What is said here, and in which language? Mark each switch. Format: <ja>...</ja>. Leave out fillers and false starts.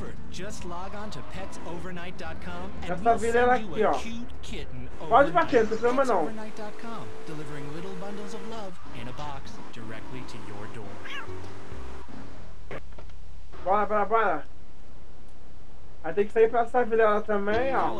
<en>Just log on to petsovernight.com and</en> <pt>essa vila é aqui, ó. Pode bater, não tem problema não.</pt> <en>Delivering little bundles of love in a box directly to your door.</en> <pt>Bora, bora, bora. Aí tem que sair pra essa vila lá também, ó.</pt>